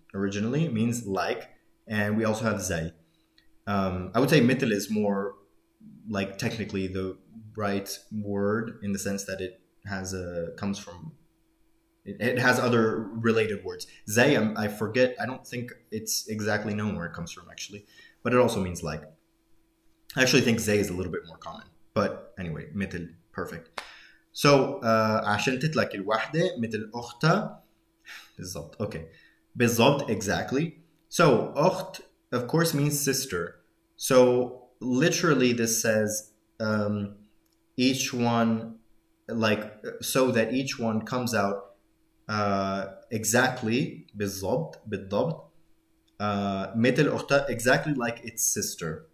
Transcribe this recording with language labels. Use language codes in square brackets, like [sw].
[en] Originally it means like, and we also have زي. I would say مثل is more like technically the right word in the sense that it has a comes from it has other related words. زي, I forget, I don't think it's exactly known where it comes from actually, but it also means like. I actually think زي is a little bit more common, but anyway, مثل, perfect. So [ar] عشان تطلع كل واحدة مثل أختها بالضبط. [en] Okay. بالضبط, exactly. So, أخت, of course, means sister. So, literally, this says each one, like, so that each one comes out exactly, بالضبط, بالضبط, [ar] مثل أختها, [en] exactly like its sister.